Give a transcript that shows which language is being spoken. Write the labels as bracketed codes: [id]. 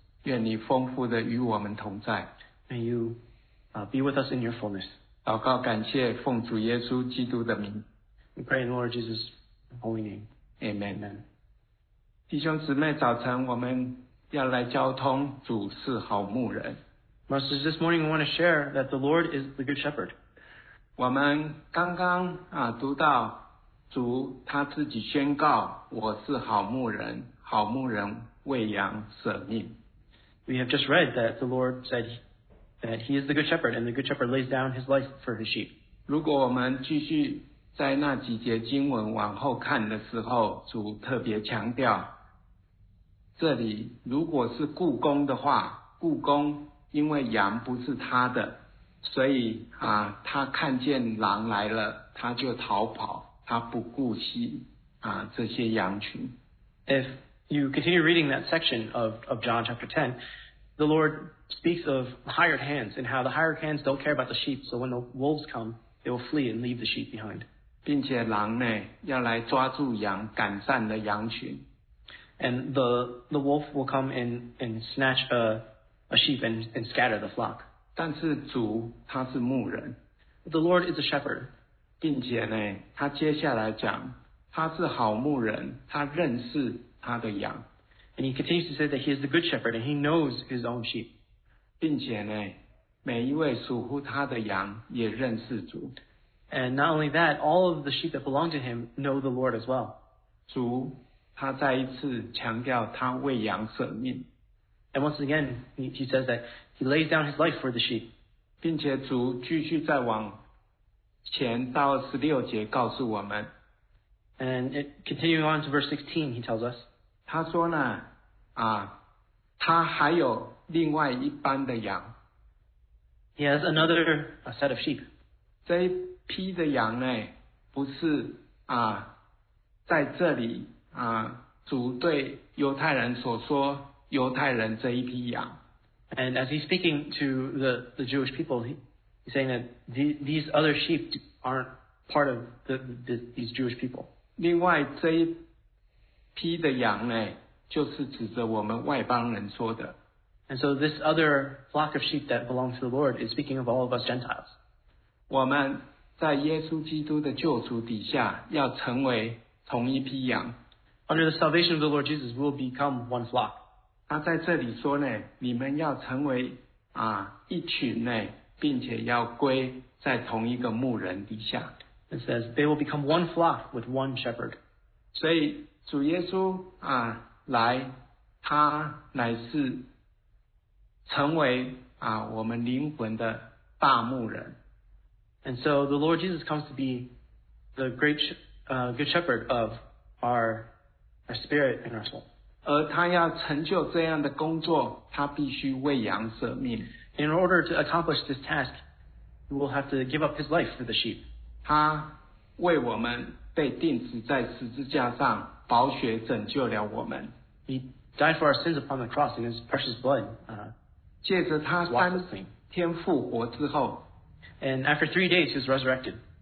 [zh] 愿你丰富的与我们同在。 [en] May you be with us in your fullness. [zh] 祷告感谢奉主耶稣基督的名。 [en] We pray in Lord Jesus' holy name. Amen. Amen. [zh] 弟兄姊妹，早晨我们要来交通主是好牧人。 [en] Masters, this morning we want to share that the Lord is the good shepherd. [zh] 我们刚刚读到主他自己宣告，我是好牧人，好牧人为羊舍命。 [en] We have just read that the Lord said that he is the good shepherd, and the good shepherd lays down his life for his sheep. [zh] 如果我们继续在那几节经文往后看的时候，主特别强调，这里如果是雇工的话，雇工因为羊不是他的，所以他看见狼来了，他就逃跑。他不顾惜这些羊群。 [en] If you continue reading that section of John chapter 10, the Lord speaks of hired hands and how the hired hands don't care about the sheep, so when the wolves come, they will flee and leave the sheep behind. [zh] 并且狼呢，要来抓住羊，赶散了羊群。 [en] And the wolf will come and snatch a sheep and scatter the flock. [zh] 但是主他是牧人。 [en] The Lord is a shepherd. [zh] 并且呢，他接下来讲，他是好牧人，他认识他的羊。 [en] And he continues to say that he is the good shepherd and he knows his own sheep. [zh] 并且呢，每一位属乎他的羊也认识主。 [en] And not only that, all of the sheep that belong to him know the Lord as well. [zh] 主，他再一次强调他为羊舍命。 [en] And once again, he says that he lays down his life for the sheep. [zh] 并且主继续再往前到十六节告诉我们。 [en] And continuing on to verse 16, he tells us. [zh] 他说呢他还有另外一班的羊。 [en] He has another set of sheep. [zh] 这一批的羊呢不是在这里主对犹太人所说犹太人这一批羊。 [en] And as he's speaking to the Jewish people, he's saying that these other sheep aren't part of these Jewish people. [zh] 另外这一批的羊呢，就是指着我们外邦人说的。 [en] And so this other flock of sheep that belongs to the Lord is speaking of all of us Gentiles. [zh] 我们在耶稣基督的救主底下要成为同一批羊。 [en] Under the salvation of the Lord Jesus, we'll become one flock. [zh] 他在这里说呢，你们要成为一群呢，并且要归在同一个牧人底下。 [en] It says they will become one flock with one shepherd. [zh] 所以主耶稣来，他乃是成为我们灵魂的大牧人。 [en] And so the Lord Jesus comes to be the great good shepherd of our spirit and our soul. [zh] 而他要成就这样的工作，他必须为羊舍命。 [en] In order to accomplish this task, he will have to give up his life for the sheep. [zh] 他为我们被钉死在十字架上，宝血拯救了我们。 [en] He died for our sins upon the cross in his precious blood. [zh] 借着他三天复活之后 [en] ，And after 3 days, he was resurrected.